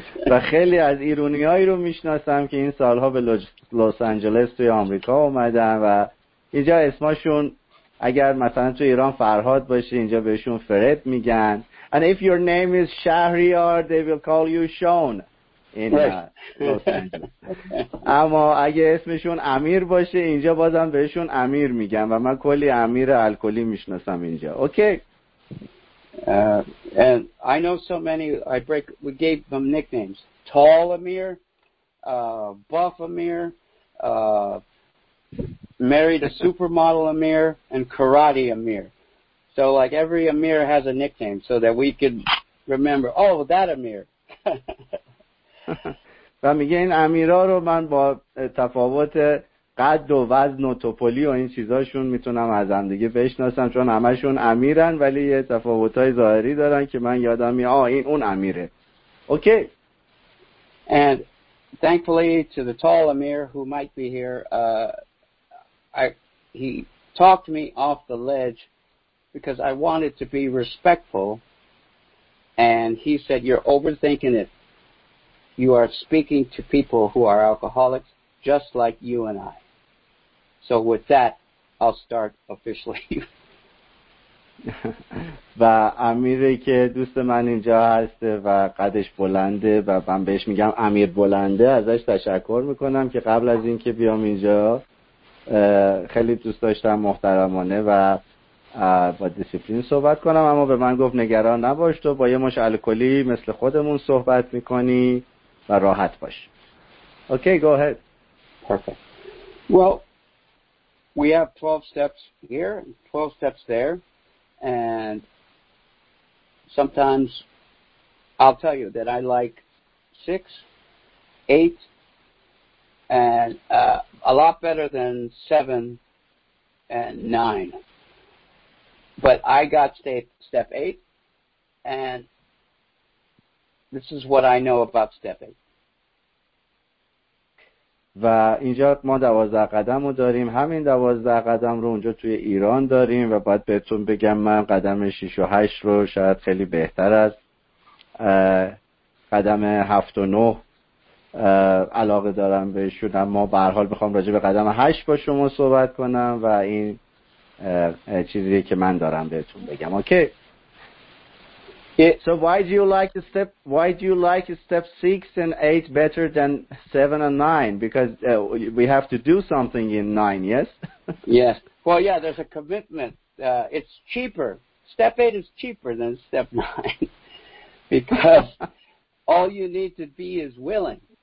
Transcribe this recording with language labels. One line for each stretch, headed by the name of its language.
Persian: و خیلی از ایرونیایی رو میشناسم که این سالها به لس آنجلس توی آمریکا اومدن و اینجا اسمشون اگر مثلا تو ایران فرهاد باشه اینجا بهشون فرد میگن.
English: And if your name is Shahriar, they will call you Sean.
Persian: این لس آنجلس. اما اگه اسمشون امیر باشه اینجا بازم بهشون امیر میگن و من کلی امیر الکلی میشناسم اینجا.
English: Okay. And I know so many we gave them nicknames. Tall Amir, Buff Amir, Married a Supermodel Amir and Karate Amir. So like every Amir has a nickname so that we could remember, oh, that Amir.
Persian: و میگه این امیرا رو من با تفاوت قد و وزن و توپولی و این چیزاشون میتونم از هم دیگه بشناسم چون همشون امیرن ولی یه تفاوتای ظاهری دارن که من یادم میاد این اون امیره.
English: Okay. And thankfully to the tall Amir who might be here, he talked me off the ledge because I wanted to be respectful. And he said, you're overthinking it. You are speaking to people who are alcoholics just like you and I. So with that, I'll start officially.
Persian: و امیری که دوست من اینجا هست و قدش بلنده و من بهش میگم امیر بلنده ازش تشکر میکنم که قبل از این که بیام اینجا خیلی دوست داشتم محترمانه و با دیسپلین صحبت کنم اما به من گفت نگران نباش تو با یه مش الکلی مثل خودمون صحبت میکنی و راحت باش.
English: Okay go ahead. Perfect. Well, we have 12 steps here and 12 steps there and sometimes I'll tell you that I like 6, 8 and a lot better than 7 and 9. But I got step 8, and this is what I know about step 8.
Persian: و اینجا ما 12 قدم رو داریم، همین 12 قدم رو اونجا توی ایران داریم و باید بهتون بگم من قدم 6 و 8 رو شاید خیلی بهتر از قدم 7 و 9 علاقه دارم بهشون. اما به هر حال بخوام راجع به قدم 8 با شما صحبت کنم و این چیزیه که من دارم بهتون بگم.
English: Okay. So why do you like step 6 and 8 better than 7 and 9 because we have to do something in 9, yes? Yes. Well, yeah, there's a commitment. It's cheaper. Step 8 is cheaper than step 9 because all you need to be is willing.